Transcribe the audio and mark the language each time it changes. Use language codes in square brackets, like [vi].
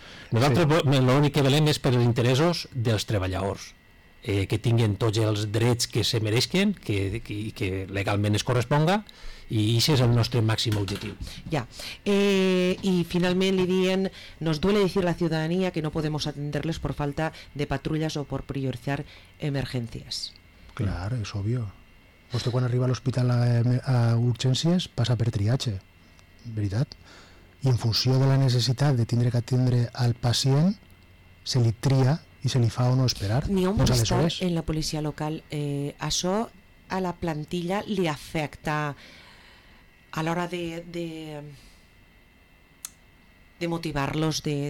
[ca] Nosaltres, sí, l'únic que velem és per els interessos dels treballadors. que tinguin tots els drets que se mereixen, que legalment es corresponga, i això és el nostre màxim objectiu. Ja. I finalment li diuen: [es] nos duele decir la ciudadanía que no podemos atenderles por falta de patrullas o por priorizar emergencias. [ca] Clar, és obvio. Vostè quan arriba a l'hospital a urgències passa per triatge, veritat? I en funció de la necessitat de tindre que atendre al pacient, se li tria i se li fa o no esperar. N'hi ha un malestar en la policia local. Això a la plantilla li afecta a l'hora de motivar-los?